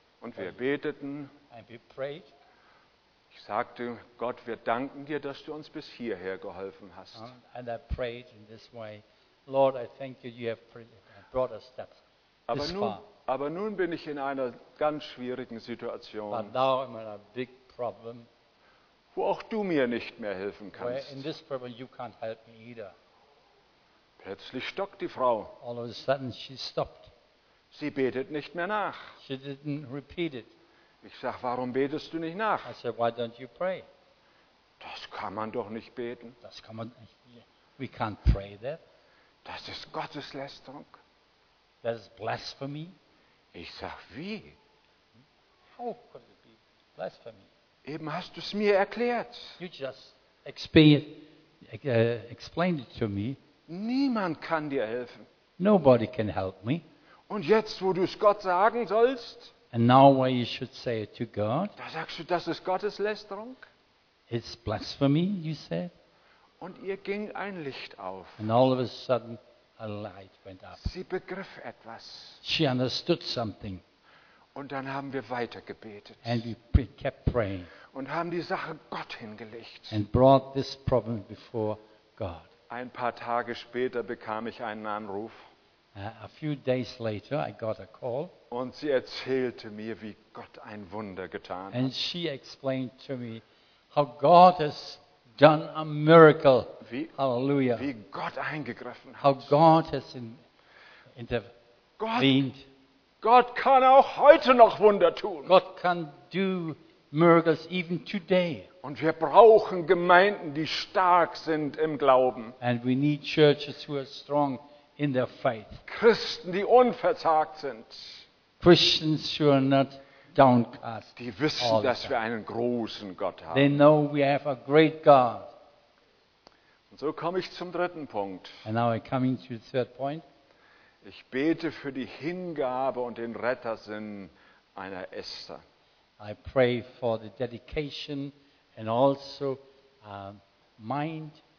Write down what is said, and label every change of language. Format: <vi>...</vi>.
<de>Und wir beteten.</de> <en>And we prayed.</en> <de>Ich sagte, Gott, wir danken dir, dass du uns bis hierher geholfen hast.</de> <en>And I prayed in this way, Lord, I thank you, you have brought us that this far.</en> <de>Aber nun bin ich in einer ganz schwierigen Situation.</de> <en>But now I'm in a big problem.</en> <de>Wo auch du mir nicht mehr helfen kannst.</de> <en>Where in this problem you can't help me either.</en> <de>Plötzlich stockt die Frau.</de> <en>All of a sudden she stopped.</en> <de>Sie betet nicht mehr nach.</de> <en>She didn't repeat it.</en> <de>Ich sag, warum betest du nicht nach?</de> <en>I said, why don't you pray?</en> <de>Das kann man doch nicht beten. Das kann man nicht.</de> <en>We can't pray that.</en> <de>Das ist Gotteslästerung.</de> <en>That is blasphemy.</en> <de>Ich sag, wie?</de> <en>How could it be blasphemy?</en> <de>Eben hast du es mir erklärt.</de> <en>You just explained it to me.</en> <de>Niemand kann dir helfen.</de> <en>Nobody can help me.</en> <de>Und jetzt, wo du es Gott sagen sollst,</de> <en>and now where you should say it to God,</en> <de>da sagst du, das ist Gotteslästerung.</de> <en>It's blasphemy, you said.</en> <de>Und ihr ging ein Licht auf.</de> <en>And all of a sudden, a light went up.</en> <de>Sie begriff etwas.</de> <en>She understood something.</en> <de>Und dann haben wir weiter gebetet.</de> <en>And we kept praying.</en> <de>Und haben die Sache Gott hingelegt.</de> <en>And brought this problem before God.</en> <de>Ein paar Tage später bekam ich einen Anruf.</de> <en>A few days later I got a call.</en> <de>Und sie erzählte mir, wie Gott ein Wunder getan hat.</de> <en>And she explained to me how God has done a miracle. Hallelujah.</en> <de>Wie Gott eingegriffen hat.</de> <en>How God has intervened.</en> <de>Gott kann auch heute noch Wunder tun.</de> <en>God can do miracles even today.</en> <de>Und wir brauchen Gemeinden, die stark sind im Glauben.</de> <en>And we need churches who are strong in their faith.</en> <de>Christen, die unverzagt sind.</de> <en>Christians who are not downcast.</en> <de>Die wissen, dass wir einen großen Gott haben.</de> <en>They know we have a great God.</en> <de>Und so komme ich zum dritten Punkt.</de> <en>And now I'm coming to the third point.</en> <de>Ich bete für die Hingabe und den Rettersinn einer Esther.</de> <en>I pray for the dedication and also mind</en>